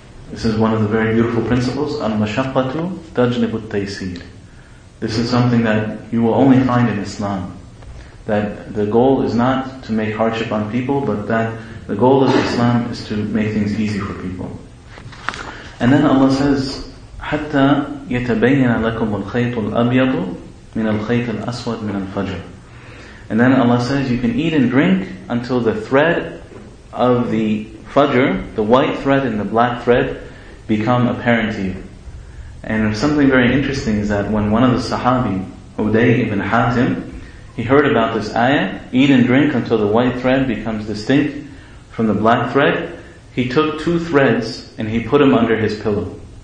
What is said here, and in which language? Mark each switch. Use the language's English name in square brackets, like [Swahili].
[English] This is one of the very beautiful principles, [Arabic] al-mashaqqatu tajlibu at-taysir. [English] This is something that you will only find in Islam. That the goal is not to make hardship on people, but that the goal of Islam is to make things easy for people. And then Allah says, [Arabic] حَتَّى يَتَبَيَّنَ لَكُمُ الْخَيْطُ الْأَبْيَضُ مِنَ الْخَيْطِ الْأَسْوَدِ مِنَ الْفَجْرِ. [English] And then Allah says, you can eat and drink until the thread of the fajr, the white thread and the black thread, become apparent to you. And something very interesting is that when one of the Sahabi, Uday ibn Hatim, he heard about this ayah, eat and drink until the white thread becomes distinct from the black thread, he took two threads and he put them under his pillow.